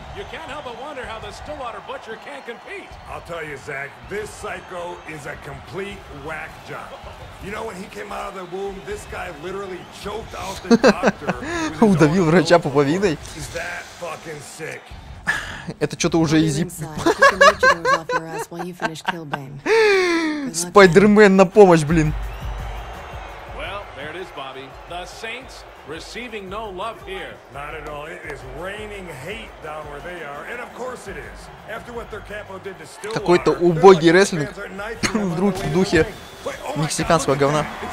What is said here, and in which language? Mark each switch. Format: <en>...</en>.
<en>You can't help but wonder how the Stillwater Butcher can't compete. I'll tell you, Zach, this psycho is a complete whack job. You know, when he came out of the womb, this guy literally choked out the doctor.</en> <ru>Удавил врача пуповиной.</ru> <en>Is that fucking sick?</en> <ru>Это что-то уже изи... Спайдермен на помощь, блин.</ru> <en>Well, there it is, Bobby. The Saints... Receiving no love here. Not at all. It is raining hate down where they are, and of course it is. After what their capo did to Stillwater.</en> <ru>Какой-то убогий рестлинг вдруг в духе мексиканского говна.</ru>